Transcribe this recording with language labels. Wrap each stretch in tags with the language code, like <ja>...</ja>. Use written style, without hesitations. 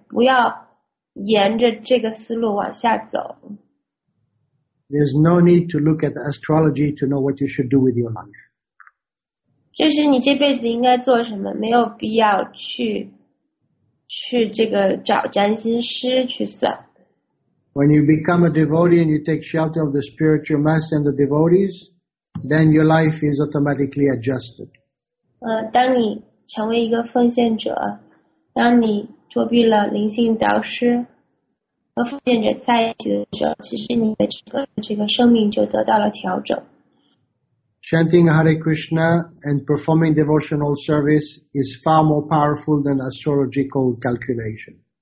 <zh>不要沿着这个思路往下走。</zh> <en>There's no need to look at the astrology to know what you should do with your life.</en> <zh>就是你这辈子应该做什么，没有必要去这个找占星师去算。</zh> <en>When you become a devotee and you take shelter of the spiritual master and the devotees, then your life is automatically adjusted.</en> <zh>当你成为一个奉献者，当你躲避了灵性导师和奉献者在一起的时候，其实你的这个生命就得到了调整。</zh> <en>Chanting Hare Krishna and performing devotional service is far more powerful than astrological calculation.</en>